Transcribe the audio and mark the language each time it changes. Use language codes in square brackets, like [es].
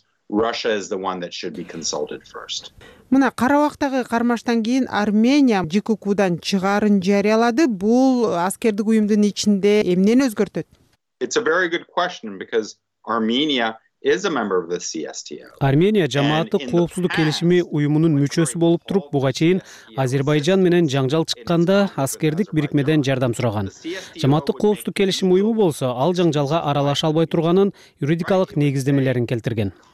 [en] Russia is the one that should be consulted first. [ky] Мына Карабактагы кармаштан кийин Армения ЖКК-дан чыгарын жарыялады. Бул аскердик уюмдун ичинде эмнени өзгөртөт? [en] It's a very good question because Armenia is a member of the CSTO. [ky] Армения жамааты коопсуздук келишими уюмунун мүчөсү болуп туруп, буга чейин Азербайжан менен жаңжал чыкканда аскердик бирикмеден жардам сураган. Жамааты коопсуздук келишими уюму болсо, ал жаңжалга аралаша албай турганын юридикалык негиздемелерин келтирген.